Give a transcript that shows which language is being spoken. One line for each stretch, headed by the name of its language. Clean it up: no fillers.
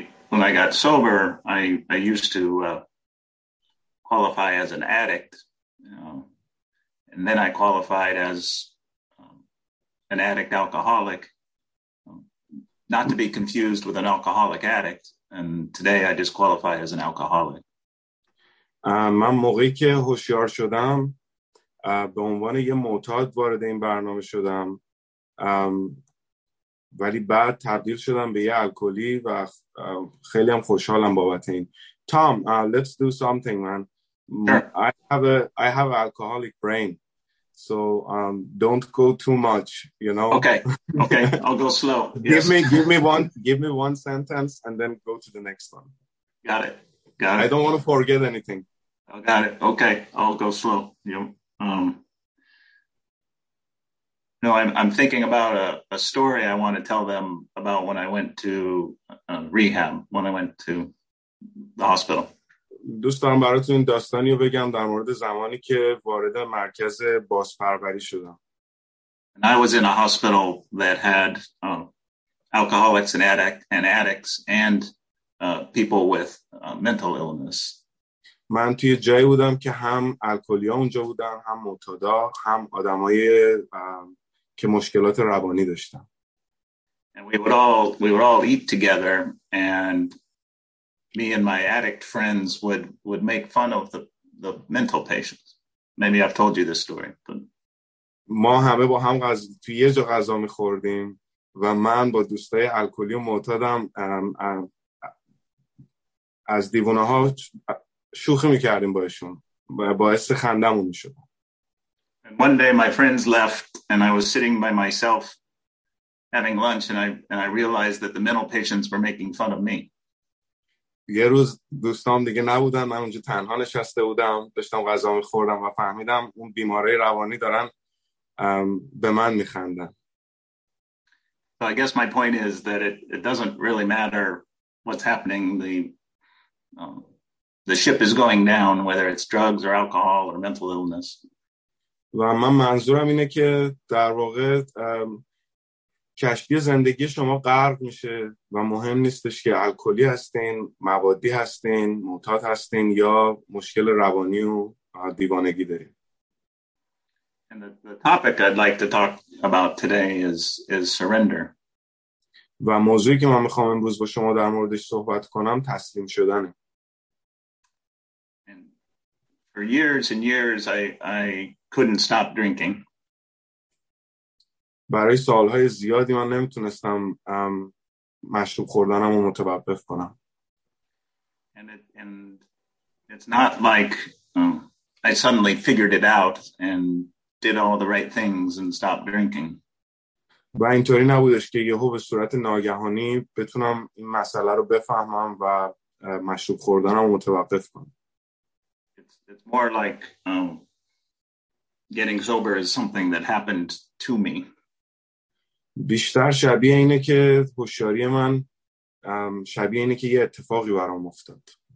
English: When I got sober, I used to qualify as an addict, and then I qualified as an addict alcoholic, not to be confused with an alcoholic addict, and today I just qualify as an alcoholic.
Persian: من موقعی که هوشیار شدم به عنوان یه معتاد وارد این برنامه شدم، ولی بعد تبدیل شدم به یه الکلی و خیلی هم خوشحالم بابت این.
English: Tom, let's do something, man. Sure. I have an alcoholic brain. So don't go too much, you know. Okay, I'll go slow. Give yes. give me one sentence and then go to the next one. Got it. I don't want to forget anything. Oh, got it. Okay, I'll go slow. Yeah. No, I'm thinking about a story I want to tell them about when I went to rehab, when I went to the hospital.
Persian: دوست دارم براتون داستانی رو بگم در مورد زمانی که وارد مرکز بازپروری شدم.
English: I was in a hospital that had alcoholics and addicts and people with mental illness.
Persian: من توی جایی بودم که هم الکلی‌ها اونجا بودن، هم معتادا، هم آدمای که مشکلات روانی داشتن.
English: And we would all eat together and me and my addict friends would make fun of the mental patients. Maybe I've told you this story.
Persian: ما همه با هم توی یه جا غذا می‌خوردیم و من با دوستای الکلی و معتادم از دیوونه ها شوخی می‌کردیم باهاشون. باعث خندمون می‌شد.
English: And one day my friends left and I was sitting by myself having lunch and I realized that the mental patients were making fun of me.
Persian: یه روز دوستام دیگه نبودن، من اونجا تنها نشسته بودم، داشتم غذا میخوردم و فهمیدم اون بیماره روانی دارن به من میخندن.
English: So I guess my point is that it doesn't really matter what's happening. The the ship is going down, whether it's drugs or alcohol or mental illness.
Persian: و من منظورم اینه که در واقع کشتی زندگی شما غرق میشه و مهم نیستش که الکلی هستین، موادی هستین، معتاد هستین یا مشکل روانی و دیوانگی دارین.
English: And the topic I'd like to talk about today is surrender.
Persian: و موضوعی که من میخوام امروز با شما در موردش صحبت کنم تسلیم شدنه.
English: And for years and years I couldn't stop drinking.
Persian: برای سالهای زیادی من نمیتونستم مشروب خوردنم رو متوقف کنم.
English: And it's not like I suddenly figured it out and did all the right things and stopped drinking.
Persian: و اینطوری نبودش که یهو به صورت ناگهانی بتونم این مسئله رو بفهمم و مشروب خوردنم رو متوقف کنم.
English: It's more like getting sober is something that happened to me.
Persian: بیشتر شبیه اینه که هوشیاری من شبیه اینه که یه اتفاقی برام افتاد.